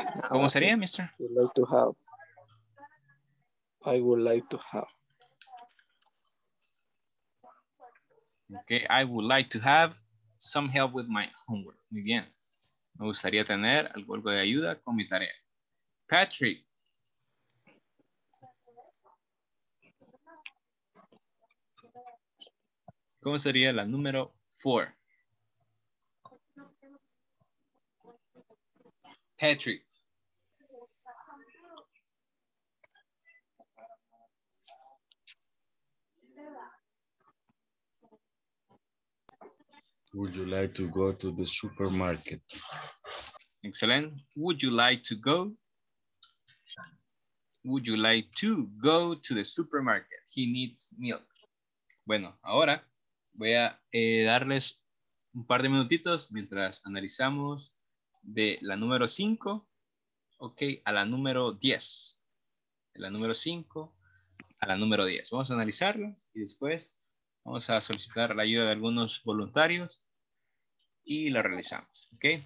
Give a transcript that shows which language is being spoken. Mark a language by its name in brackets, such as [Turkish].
[Spanish] ¿Cómo sería, mister? [English] I would like to have. I would like to have. Okay, I would like to have some help with my homework. [Spanish] Muy bien. Me gustaría tener algo de ayuda con mi tarea. Patrick. ¿Cómo sería la número 4? Patrick. [English] Would you like to go to the supermarket? Excellent. Would you like to go? Would you like to go to the supermarket? He needs milk. [Spanish] Bueno, ahora voy a darles un par de minutitos mientras analizamos de la número 5, ok, a la número 10. De la número 5 a la número 10. Vamos a analizarlos y después vamos a solicitar la ayuda de algunos voluntarios y la realizamos, ok.